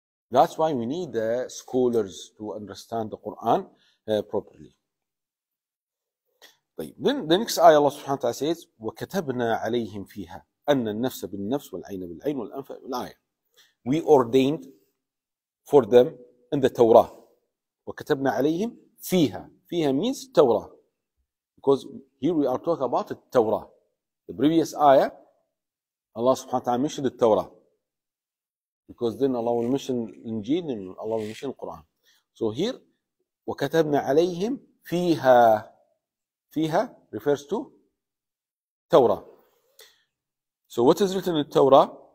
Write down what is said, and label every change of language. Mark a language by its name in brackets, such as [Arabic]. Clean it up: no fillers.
[English] That's why we need the scholars to understand the Quran properly. Then the next ayah, Allah subhanahu wa ta'ala says, [Arabic] وَكَتَبْنَا عَلَيْهِمْ فِيهَا أَنَّ النَّفْسَ بِالنَّفْسِ وَالْعَيْنَ بِالْعَيْنِ وَالْأَنْفَ بِالْآيَةِ. [English] We ordained for them in the Torah. [Arabic] وَكَتَبْنَا عَلَيْهِمْ فِيهَا. [English] فِيهَا means Torah. Because here we are talking about the Torah. The previous ayah, Allah subhanahu wa ta'ala mentioned the Torah. Because then Allah will mention Injil and Allah will mention Quran. So here, [Arabic] وَكَتَبْنَا عَلَيْهِمْ فِيهَا. [English] فِيهَا refers to Torah. So what is written in the Torah?